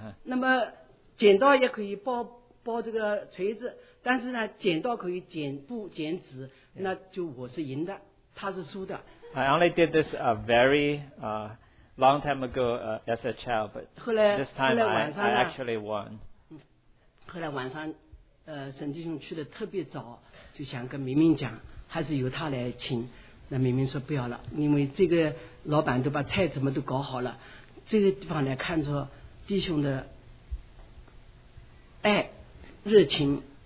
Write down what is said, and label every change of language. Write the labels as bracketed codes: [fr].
[zh] 那么剪刀也可以包这个锤子。但是呢，剪刀可以剪布、剪纸， [en] yeah. [zh] 那就我是赢的，他是输的。 [en] I only did this a very long time ago as a child, but this time I actually won. [zh] 后来晚上，沈弟兄去的特别早，就想跟明明讲，还是由他来请。那明明说不要了，因为这个老板都把菜怎么都搞好了，这个地方来看着弟兄的爱、热情。